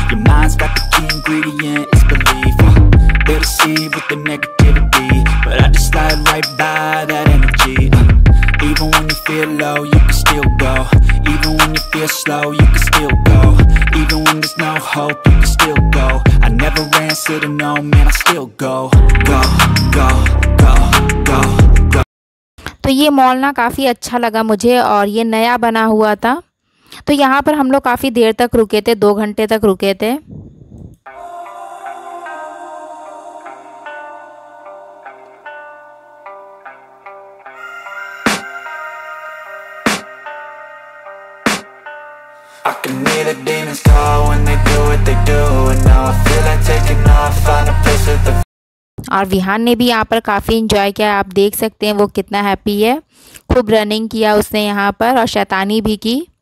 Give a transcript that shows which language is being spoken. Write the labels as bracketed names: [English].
[English] Your mind's got the key ingredient, it's belief. They'll deceive with the negativity, but I just slide right by that energy. Even when you feel low, you can still go. Even when you feel slow, you can still go. Even when there's no hope, you can still go. I never answer to no, man, I still go. Go, go, go, go, go. [Hindi] तो ये mall ना काफी अच्छा लगा मुझे, और ये नया बना हुआ था, तो यहाँ पर हम लोग काफी देर तक रुके थे, 2 घंटे तक रुके थे। [English] The demons call when they do what they do, and now I feel like taking off, find a place with the. [Hindi] और विहान ने भी यहाँ पर काफ़ी इन्जॉय किया, आप देख सकते हैं वो कितना हैप्पी है। खूब रनिंग किया उसने यहाँ पर और शैतानी भी की।